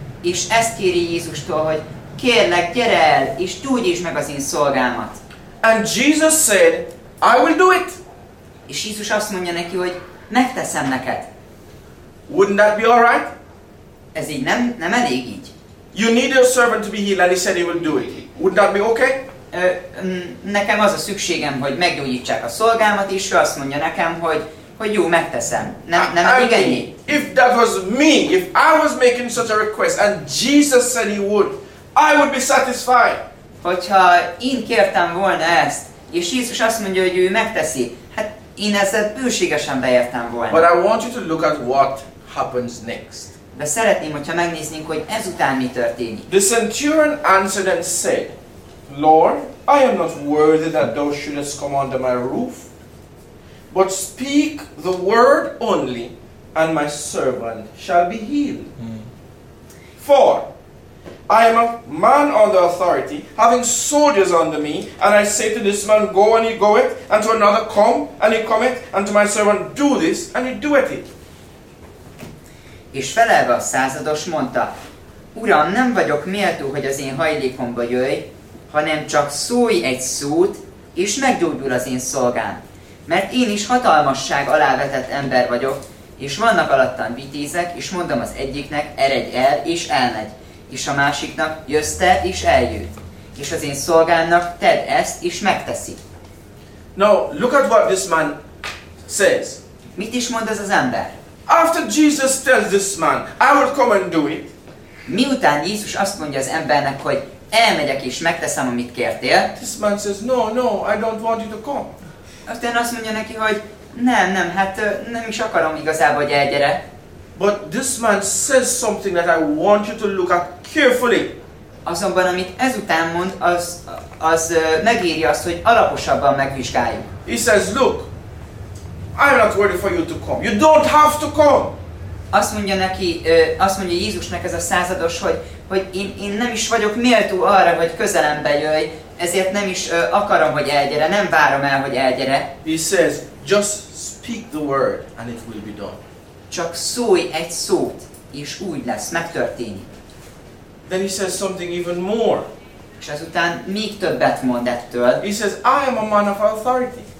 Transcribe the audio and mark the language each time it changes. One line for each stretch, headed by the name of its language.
Hungarian: És ezt kéri Jézustól, hogy kérlek, gyere el, és gyógyítsd meg az én szolgámat.
English: And Jesus said, I will do it.
Hungarian: És Jézus azt mondja neki, hogy megteszem neked.
English: Wouldn't that be all right?
Hungarian: Ez így nem elég így.
English: You need your servant to be healed, and he said he will do it. Wouldn't that be okay?
Hungarian: Nekem az a szükségem, hogy meggyógyítsák a szolgámat, és ő azt mondja nekem, hogy jó, megteszem. Nem elég ennyi?
English: If that was me, if I was making such a request, and Jesus said he would, I would be satisfied.
Hungarian: Hogyha én kértem volna ezt, és Jézus azt mondja, hogy ő megteszi, hát én ezzel bőségesen beértem volna.
English: But I want you to look at what happens next.
Hungarian: De szeretném, hogyha megnéznénk, hogy ezután mi történik.
English: The centurion answered and said, Lord, I am not worthy that thou shouldest come under my roof, but speak the word only, and my servant shall be healed. For I am a man under authority, having soldiers under me, and I say to this man, go and he goeth, and to another, come and he cometh, and to my servant, do this, and he doeth it.
Hungarian: És felelve a százados mondta, Uram, nem vagyok méltó, hogy az én hajlékomba jöjj, hanem csak szólj egy szót, és meggyógyul az én szolgám. Mert én is hatalmasság alá vetett ember vagyok, és vannak alattam vitézek, és mondom az egyiknek, eredj el, és elmegy. És a másiknak, jössz te, és eljött. És az én szolgámnak, tedd ezt, és megteszi.
English: Now, look at what this man says.
Hungarian: Mit is mond ez az ember?
English: After Jesus tells this man, I will come and do it.
Hungarian: Miután Jézus azt mondja az embernek, hogy elmegyek és megteszem, amit kértél.
English: This man says, no, no, I don't want you to come.
Hungarian: Aztán azt mondja neki, hogy nem, hát nem is akarom igazából, hogy elgyere.
English: But this man says something that I want you to look at carefully.
Hungarian: Azonban, amit ezután mond, az megírja azt, hogy alaposabban megvizsgáljuk.
English: He says, look, I'm not worthy for you to come. You don't have to come.
Hungarian: Azt mondja neki, azt mondja Jézusnak ez a százados, hogy én nem is vagyok méltó arra, hogy közelembe jöjj, ezért nem is akarom, hogy elgyere, nem várom el, hogy elgyere.
English: He says, just speak the word and it will be done.
Hungarian: Csak szólj egy szót, és úgy lesz, megtörténik.
English: Then he says something even more.
Hungarian: És ezután még többet mond ettől.
English: He says, I am a man of authority.